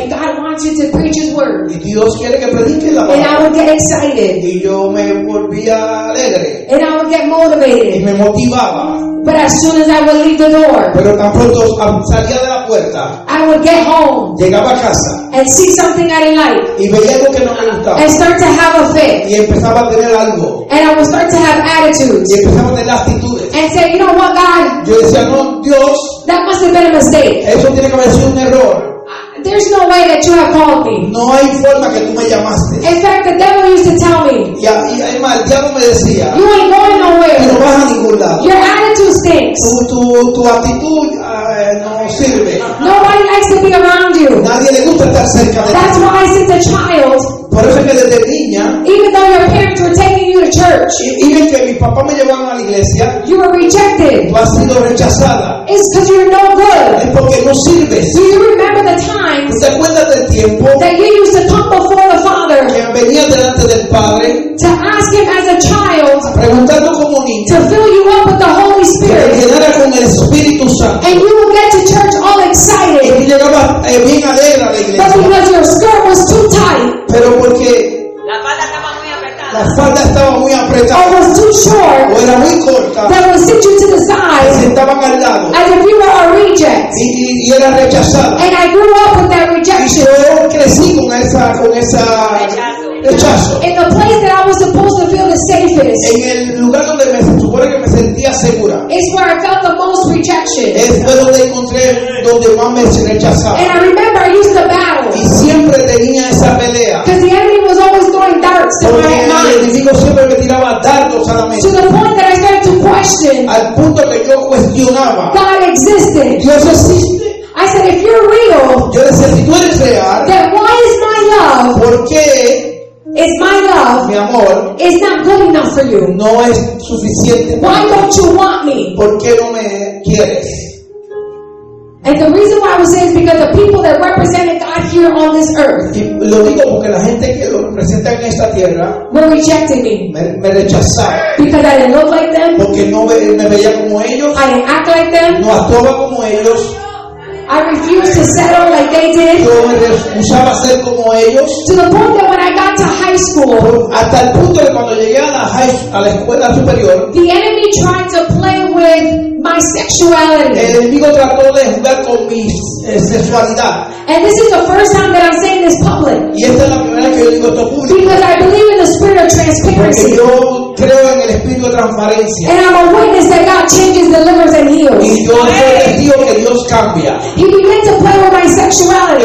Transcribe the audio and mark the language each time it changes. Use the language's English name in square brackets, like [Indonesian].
[English] And God wants you to preach His word. [Spanish] Y Dios quiere que prediques la palabra. [English] And I would get excited. [Spanish] Y yo me volvía alegre. [English] And I would get motivated. [Spanish] Y me motivaba. [English] But as soon as I would leave the door. [Spanish] Pero tan pronto salía de la puerta. [English] I would get home. [Spanish] Llegaba a casa. [English] And see something I didn't like. [Spanish] Y veía algo que no me gustaba. [English] And start to have a fit. [Spanish] Y empezaba a tener algo. [English] And I would start to have attitudes. [Spanish] Y empezaba a tener actitudes. [English] And say, you know what, God? [Spanish] Yo decía, no, Dios. [English] That must have been a mistake. [Spanish] Eso tiene que haber sido un error. [English] There's no way that you have called me. [Spanish] No hay forma que tú me llamaste. [English] In fact, the devil used to tell me. [Spanish] Y además, el diablo me decía. [English] You ain't going nowhere. [Spanish] No vas a ningún lado. [English] Your attitude stinks. [Spanish] Tu actitud no sirve. [English] Nobody likes to be around you. [Spanish] Nadie le gusta estar cerca de ti. [English] That's why since a child. [Spanish] Por eso es que desde niña. [English] Even though your parents were taking you to church. [Spanish] Even que mi papá me llevaba a la iglesia. [English] You were rejected. [Spanish] Tú has sido rechazada. [English] It's because you're no good. [Spanish] Es porque no sirves. [English] Do you remember the times? [Spanish] ¿Te acuerdas del tiempo? [English] That you used to come before the Father. [Spanish] Que venía delante del Padre. [English] To ask him as a child. [Spanish] Preguntando como niño. [English] To fill you up with the Holy Spirit. [Spanish] Que te llenara con el Espíritu Santo. [English] And you would get to church all excited. [Spanish] Y llegaba bien alegre a la iglesia. [English] But because your skirt was too tight. [Spanish] Pero porque la falda estaba muy apretada. La falda estaba muy apretada. [English] Or was too short. [Spanish] O era muy corta. [English] That would sit you to the side. [Spanish] Se estaba al lado. [English] As if you were a reject. [Spanish] Y era rechazado. [English] And I grew up with that rejection. [Spanish] Y yo crecí con esa rechazo. [English] In the place that I was supposed to feel the safest. [Spanish] En el lugar donde me supone que me sentía segura. [English] It's where I felt the most rejection. [Spanish] Es donde encontré donde más me rechazaba. [English] And I remember I used to battle. [Spanish] Y siempre tenía esa pelea. [English] Because the enemy was always throwing darts to my mind. [Spanish] Porque el enemigo siempre me tiraba dardos a la mente. [English] To the point that I started to question. [Spanish] Al punto que yo cuestionaba. [English] God existed. [Spanish] Dios existe. [English] I said, if you're real. [Spanish] Yo decía, si tú eres real. [English] Then why is my love? [Spanish] ¿Por qué? [English] Is my love, [Spanish] mi amor, [English] is not good enough for you? [Spanish] No es suficiente. [English] Why don't you want me? [Spanish] ¿Por qué no me quieres? [English] And the reason why I would say is because the people that represented God here on this earth. [Spanish] Y lo digo porque la gente que lo representa en esta tierra. [English] Were rejecting me. [Spanish] Me rechazaron. [English] Because I didn't look like them. [Spanish] Porque no me veía como ellos. [English] I didn't act like them. [Spanish] No actuaba como ellos. [English] I refused to settle like they did. [Spanish] Yo me refusaba ser como ellos. [English] To the point that when I got to high school, [Spanish] hasta el punto de cuando llegué a la escuela superior, [English] the enemy tried to play with my sexuality. [Spanish] El enemigo trató de jugar con mi sexualidad. [English] And this is the first time that I'm saying this public. [Spanish] Y esta es la primera que yo digo esto público. [English] Because I believe in the spirit of transparency. [Spanish] Creo en el espíritu de transparencia. [English] And I'm a witness that God changes, delivers, and heals. [Spanish] Y yo digo que Dios cambia. [English] He began to play with my sexuality.